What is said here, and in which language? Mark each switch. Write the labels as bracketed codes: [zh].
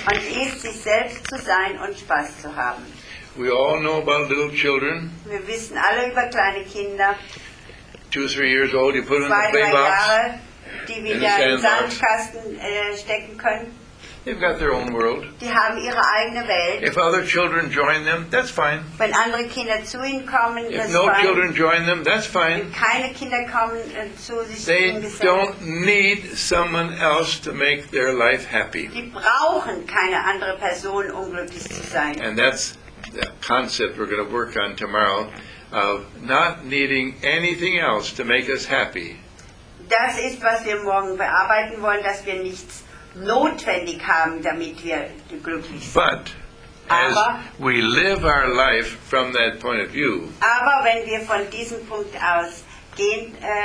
[de] Und ist, sich selbst zu sein und Spaß zu haben. [en] We all know about little children. [de] Wir wissen alle über kleine Kinder. [en] 2-3 years old, you put them in the play box. [de] Die wieder in den Sandkasten stecken können. [en] They've got their own world. [de] Die haben ihre eigene Welt. [en] If other children join them, that's fine. [de] Wenn andere Kinder zu ihnen kommen, [en] if [de] das [en] no fine. Children join them, that's fine. [de] Wenn keine Kinder kommen zu sich [en] they [de] hingesetzt. [en] Don't need someone else to make their life happy. [de] Die brauchen keine andere Person, um glücklich zu sein. [en] And that's the concept we're going to work on tomorrow of not needing anything else to make us happy. [de] Das ist, was wir morgen bearbeiten wollen, dass wir nichts notwendig haben, damit wir glücklich sind. [en] But as we live our life from that point of view, [de] aber wenn wir von diesem Punkt aus gehen,